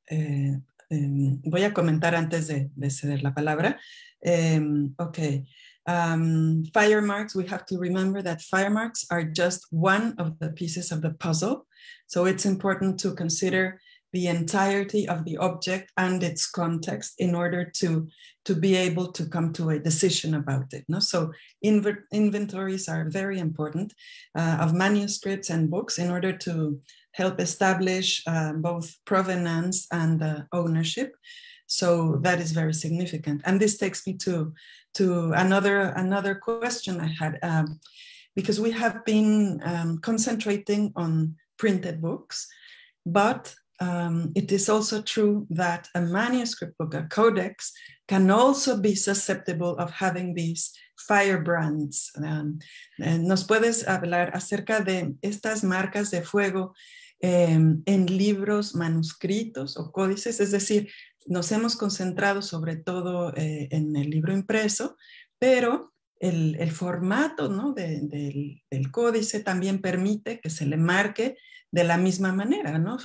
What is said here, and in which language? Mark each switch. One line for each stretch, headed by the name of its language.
Spanish: Voy a comentar antes de ceder la palabra.
English: Fire marks, we have to remember that fire marks are just one of the pieces of the puzzle. So it's important to consider the entirety of the object and its context in order to be able to come to a decision about it. No? So inventories are very important of manuscripts and books in order to help establish both provenance and ownership. So that is very significant. And this takes me to another question I had, because we have been concentrating on printed books, but it is also true that a manuscript book, a codex, can also be susceptible of having these firebrands.
Spanish: ¿Nos puedes hablar acerca de estas marcas de fuego en libros, manuscritos o códices? Es decir, nos hemos concentrado sobre todo en el libro impreso, pero el formato, ¿no?, del códice también permite que se le marque de la misma manera, ¿no?